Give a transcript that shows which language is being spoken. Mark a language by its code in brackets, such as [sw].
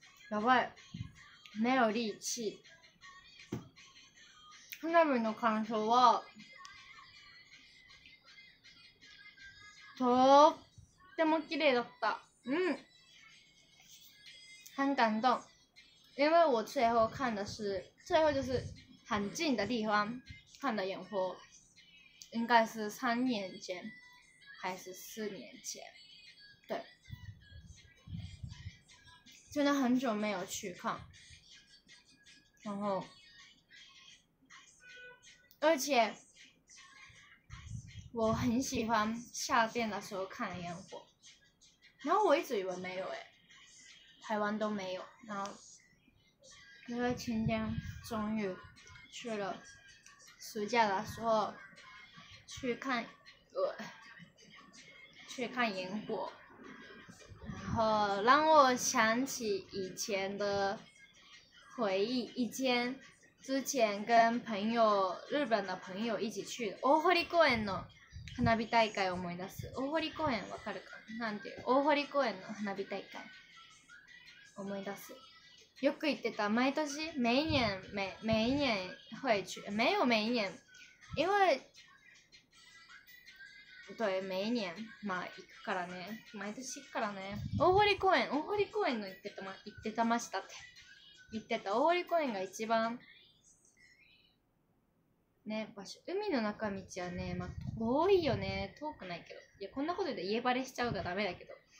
[ja] やばい。 [zh] 没有力气。 [ja] 花火の感想は、とっても綺麗だった。 [zh] うん。很感动。因为我最后看的是、最后就是很近的地方看的烟火。应该是三年前、还是四年前。真的很久没有去看，然后，而且我很喜欢夏天的时候看烟火，然后我一直以为没有哎，台湾都没有，然后因为今天终于去了，暑假的时候去看，去看烟火。让我想起以前的回忆，以前之前跟朋友日本的朋友一起去 [ja] 大濠公園の花火大会を思い出す。大濠公園わかるか？なんていう？大濠公園の花火大会思い出す。よく行ってた。毎年 [zh] 每一年会去，没有每一年，因为对，每一年嘛， [ja] 行くからね。毎年行くからね。大濠公園、大濠公園の行ってたま、行ってたましたって。行ってた。大濠公園が一番、ね、場所。海の中道はね、まあ、遠いよね。遠くないけど。いや、こんなこと言って家バレしちゃうがダメだけど。